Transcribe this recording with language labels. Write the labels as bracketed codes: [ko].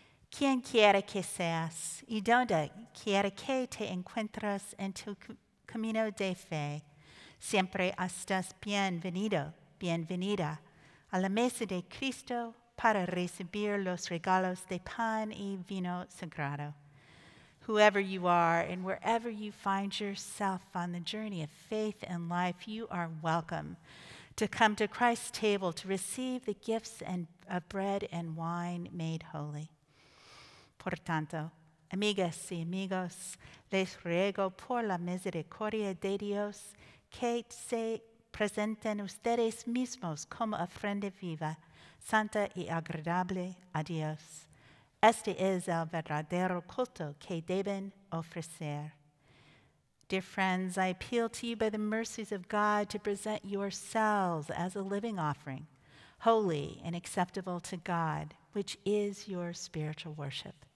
[es] Quien quiera que seas, y donde quiera que te encuentras en tu camino de fe, siempre estás bienvenido, bienvenida a la mesa de Cristo para recibir los regalos de pan y vino sagrado. [en] Whoever you are and wherever you find yourself on the journey of faith and life, you are welcome to come to Christ's table to receive the gifts of bread and wine made holy. [es] Por tanto, amigas y amigos, les ruego por la misericordia de Dios que se presenten ustedes mismos como ofrenda viva, santa y agradable a Dios. Este es el verdadero culto que deben ofrecer. [en] Dear friends, I appeal to you by the mercies of God to present yourselves as a living offering, holy and acceptable to God, which is your spiritual worship.